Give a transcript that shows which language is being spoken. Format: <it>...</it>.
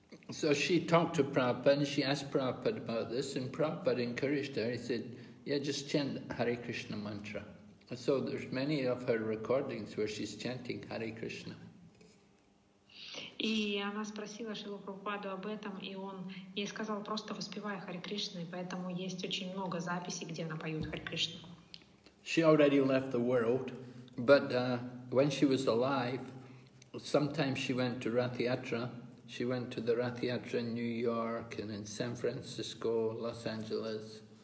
<en>So she talked to Prabhupada and she asked Prabhupada about this, and Prabhupada encouraged her. He said, yeah, just chant Hare Krishna mantra. And so there's many of her recordings where she's chanting Hare Krishna.</en> <ru>И она спросила Шрилу Прабхупаду об этом, и он ей сказал, просто воспевай Харе Кришну, и поэтому есть очень много записей, где она поет Харе Кришну.</ru> <en>She already left the world, but when she was alive, sometimes she went to Rath Yatra. She went to the Rath Yatra in New York and in San Francisco, Los Angeles.</en>